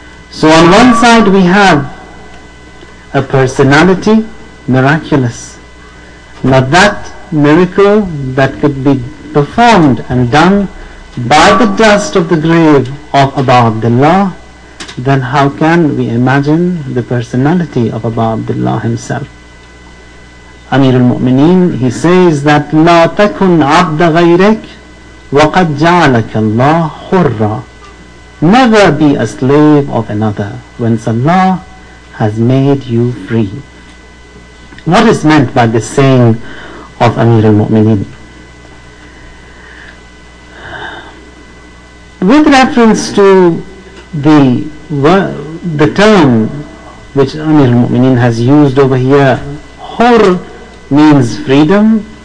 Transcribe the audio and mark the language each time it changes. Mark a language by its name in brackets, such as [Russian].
[English] So on one side we have a personality miraculous. Now that miracle that could be performed and done by the dust of the grave of Abu Abdullah, then how can we imagine the personality of Abu Abdullah himself? [Arabic] Amir al-Mu'mineen, [English] he says that [Arabic] لا تكن عبد غيرك وقد جعلك الله حرا. [English] Never be a slave of another when Allah has made you free. What is meant by this saying of Amir al-Mu'mineen? With reference to the term which Amir al-Mu'mineen has used over here, Hur means freedom.